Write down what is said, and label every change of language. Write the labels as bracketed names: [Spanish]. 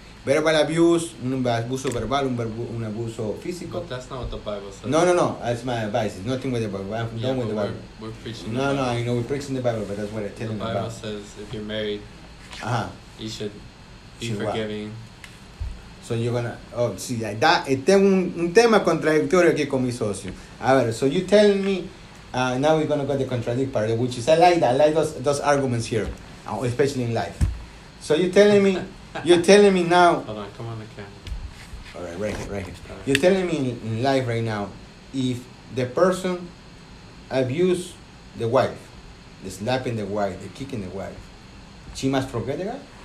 [English] Verbal abuse, [Spanish] un abuso verbal, un abuso físico. [English] But that's not what the Bible says. No. That's my advice. It's nothing with the Bible. I'm done with the Bible. We're preaching the Bible. No, I know we're preaching the Bible, but that's what I tell them about. The Bible says if you're married, you should be forgiving. So you're going to... [Spanish] Oh, sí. Tengo un tema contradictorio aquí con mi socio. A ver, [English] so you tell me... now we're going to go to the contradict part, which is I like those arguments here, especially in life. So you're telling me now... Hold on, come on the camera. All right, right here. All right. You're telling me in life right now, if the person abuse the wife, the slapping the wife, the kicking the wife, she must forget the guy?